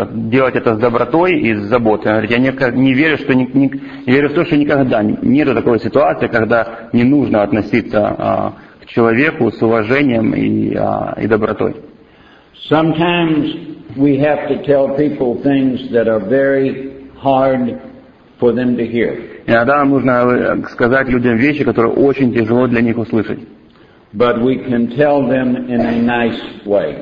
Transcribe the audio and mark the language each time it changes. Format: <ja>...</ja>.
<ru>Делать это с добротой и с заботой. Он говорит, я не верю, что верю в то, что никогда нет такой ситуации, когда не нужно относиться к человеку с уважением и добротой.</ru> <en>Sometimes we have to tell people things that are very hard for them to hear.</en> <ru>Иногда нам нужно сказать людям вещи, которые очень тяжело для них услышать.</ru> <en>But we can tell them in a nice way.</en>